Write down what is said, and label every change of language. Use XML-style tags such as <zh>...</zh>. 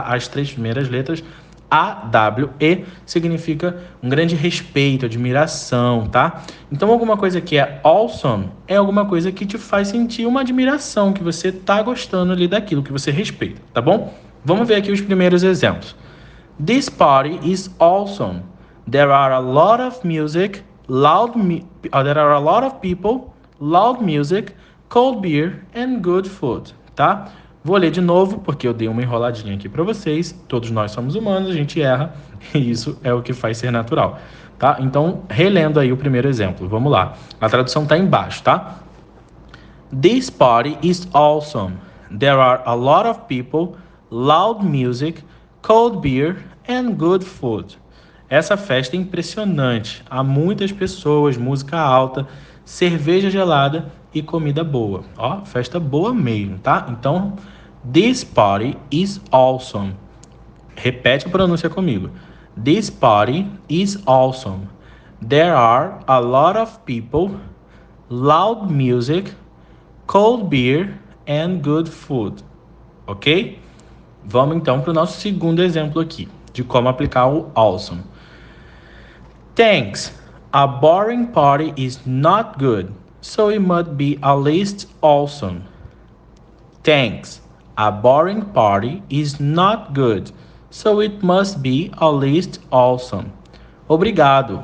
<pt>As três primeiras letras, AWE, significa um grande respeito, admiração, tá? Então, alguma coisa que é awesome é alguma coisa que te faz sentir uma admiração, que você tá gostando ali daquilo, que você respeita, tá bom? Vamos ver aqui os primeiros exemplos.</pt> <en>This party is awesome. There are a lot of music, loud mu there are a lot of people, loud music, cold beer and good food, tá?</en> <pt>Vou ler de novo, porque eu dei uma enroladinha aqui para vocês. Todos nós somos humanos, a gente erra, e isso é o que faz ser natural, tá? Então, relendo aí o primeiro exemplo, vamos lá. A tradução tá embaixo, tá?</pt> <en>This party is awesome. There are a lot of people, loud music, cold beer and good food.</en> <pt>Essa festa é impressionante. Há muitas pessoas, música alta, cerveja gelada e comida boa. Ó, festa boa mesmo, tá? Então,</pt> <en>this party is awesome.</en> <pt>Repete a pronúncia comigo.</pt> <en>This party is awesome. There are a lot of people, loud music, cold beer and good food. Ok?</en> <pt>Vamos então para o nosso segundo exemplo aqui de como aplicar o awesome.</pt> <en>Thanks. A boring party is not good, so it must be at least awesome. Thanks. A boring party is not good, so it must be at least awesome.</en> <pt>Obrigado.</pt>